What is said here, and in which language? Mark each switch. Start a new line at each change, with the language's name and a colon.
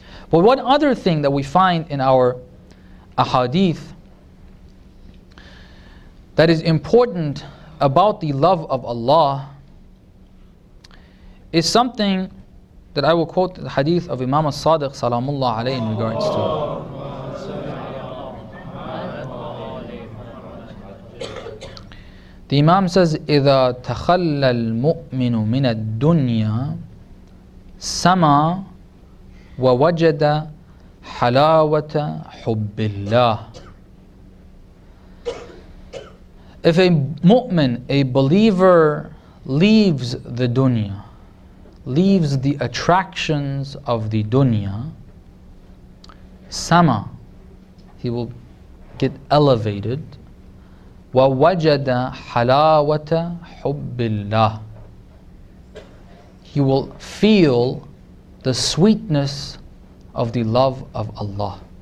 English: But one other thing that we find in our ahadith that is important about the love of Allah is something that I will quote the hadith of Imam al-Sadiq salamullah alayhi in regards to. The Imam says,
Arabic: إِذَا تَخَلَّ الْمُؤْمِنُ مِنَ الدُّنْيَا سَمَى وَوَجَدَ حَلَاوَةَ حُبِّ اللَّهِ.
English: If a mu'min, a believer, leaves the dunya, leaves the attractions of the dunya, sama, he will get elevated,
Arabic: وَوَجَدَ حَلَاوَةَ حُبِّ اللَّهِ,
English: he will feel the sweetness of the love of Allah.